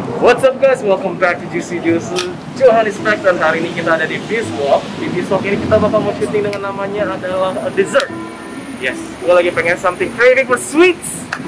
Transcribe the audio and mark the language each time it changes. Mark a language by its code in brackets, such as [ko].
[en] What's up guys, welcome back to Juicy Juice. [id] Johan [en] is back [id] dan hari ini kita ada di Beast Walk. Di Beast Walk ini kita bakal mau shooting dengan namanya adalah [en] a dessert. Yes, [id] gue lagi pengen [en] something craving for sweets.